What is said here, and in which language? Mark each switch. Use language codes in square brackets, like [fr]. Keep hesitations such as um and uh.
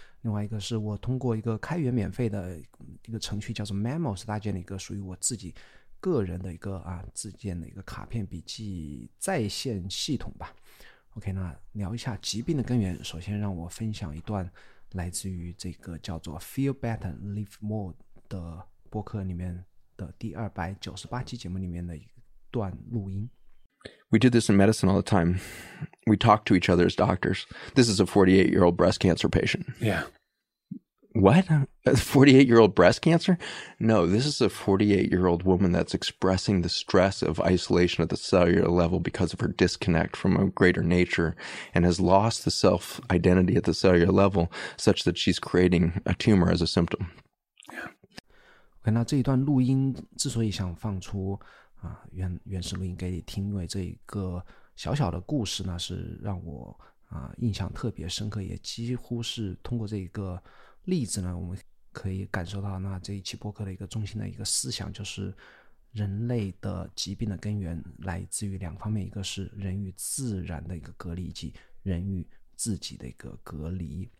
[zh] 另外一个是我通过一个开源免费的一个程序叫做 Memos 搭建了一个属于我自己个人的一个啊自建的一个卡片笔记在线系统吧。 OK，那聊一下疾病的根源，首先让我分享一段来自于这个叫做 Feel Better Live More 的播客里面的第二百九十八期节目里面的一段录音。 [en] we do this in medicine all the time. We talk to each other as doctors. This is a 48 year old breast cancer patient. Yeah. What? A 48 year old breast cancer? No, this is a 48 year old woman that's expressing the stress of isolation at the cellular level because of her disconnect from a greater nature and has lost the self identity at the cellular level such that she's creating a tumor as a symptom. Yeah. Okay, now this recording, [zh] 啊，原原始录音给你听，因为这一个小小的故事呢，是让我啊印象特别深刻，也几乎是通过这一个例子呢，我们可以感受到那这一期播客的一个中心的一个思想，就是人类的疾病的根源来自于两方面，一个是人与自然的一个隔离，以及人与自己的一个隔离。